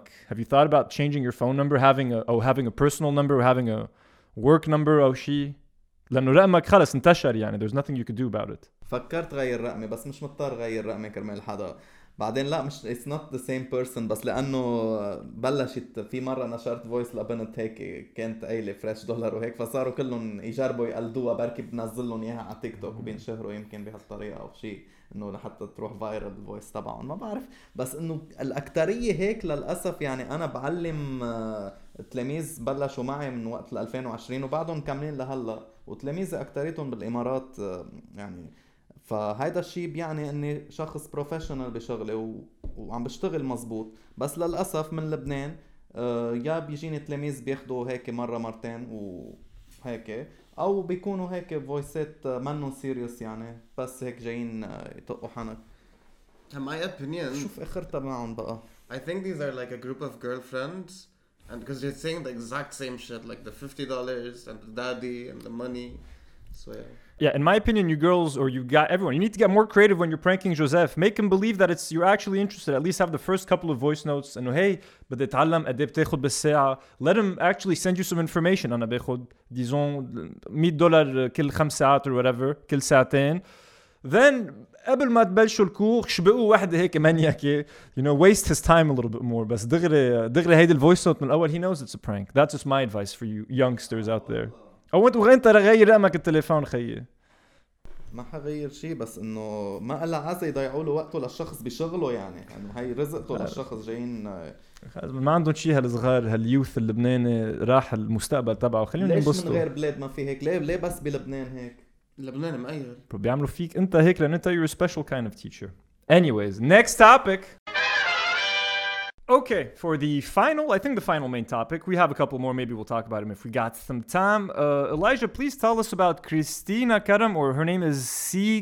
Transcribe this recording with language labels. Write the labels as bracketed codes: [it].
[en] Have you thought about changing your phone number, having a personal number, or having a work number, oh, she? [ar] لأنه رقمك خلص انتشر يعني. [en] There's nothing you could do about it. [ar] فكرت غير رقمي بس مش مضطر غير رقمي كرمال حدا. بعدين لا مش [en] it's not the same person [ar] بس لأنه بلشت في مرة نشرت voice لبنت هيك كانت قايلة fresh dollar وهيك فصاروا كلهم يجربوا يقلدوها بركي بنزلهم إياها على تيك توك وبينشهروا يمكن بهالطريقة أو شيء إنه لحتى تروح viral voice تبعهم ما بعرف بس إنه الأكترية هيك للأسف يعني أنا بعلم تلاميذ بلشوا معي من وقت 2020 وبعدهم كاملين لهلا وتلاميذ أكتريتهم بالإمارات يعني فهيدا الشيء بيعني اني شخص بروفيشنال بشغلي وعم بشتغل مزبوط بس للاسف من لبنان يا بيجيني تلاميذ بياخذوا هيك مره مرتين وهيك او بيكونوا هيك فويسات منو سيريوس يعني بس هيك جايين يطقوا حنك [en] my opinion [ar] شوف اخرتها معهم بقى [en] I think these are like a group of girlfriends and because they're saying the exact same shit like the $50 and the daddy and the money so yeah. Yeah, in my opinion, you girls, or you got everyone, you need to get more creative when you're pranking Joseph. Make him believe that it's you're actually interested. At least have the first couple of voice notes. And hey, [ar] بدي تعلم قد ايه بتاخد بالساعة. [en] Let him actually send you some information. [ar] أنا باخد, disons, $100 كل خمس ساعات [en] or whatever, [ar] كل ساعتين. Then, قبل ما تبلشوا الكور, شبقوا واحدة هيك منيكة. [en] You know, waste his time a little bit more. [ar] بس دغري هيدي الفويس نوت من الأول, [en] he knows it's a prank. That's just my advice for you youngsters out there. [ar] او انت وغنت غير رقمك التليفون خيي ما حغير شيء بس انه ما قال عزه يضيعوا له وقته للشخص بشغله يعني انه هي رزقته للشخص جايين خلص ما عندهم شيء هالصغار هاليوث اللبناني راح المستقبل تبعه خليهم ينبسطوا ليش من غير بلاد ما في هيك ليه بس بلبنان هيك لبنان مقير بيعملوا فيك انت هيك لان انت [en] you're a special kind of teacher anyways next topic Okay, for the final, I think the final main topic, we have a couple more, maybe we'll talk about them if we got some time. Elijah, please tell us about Christina Karam, or her name is C.